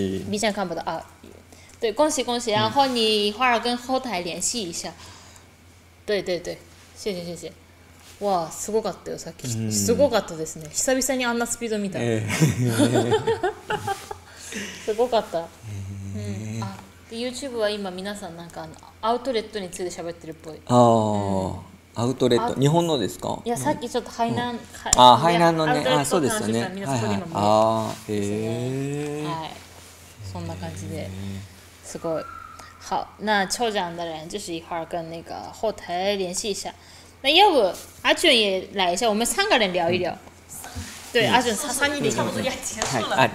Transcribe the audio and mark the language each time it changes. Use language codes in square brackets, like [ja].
[zh] ！B 站看不到啊，对，恭喜恭喜！然后你一会儿跟后台联系一下。对对对，谢谢谢谢。 [ja] わあすごかったよさっきすごかったですね久々にあんなスピード見た、すごかった、うん、あで YouTube は今皆さんなんかアウトレットについて喋ってるっぽいあ、うん、アウトレット日本のですかいやさっきちょっと海南、うん、あ海南のねあそうですよね皆さんここ、はいはい、あへえ [zh] ー [ja] はい、そんな感じですごい [zh] 好那抽奖的人就是一会儿跟那个后台联系一下那要不阿俊也来一下，我们三个人聊一聊。嗯、对，嗯、阿俊三三人差不多要结束了。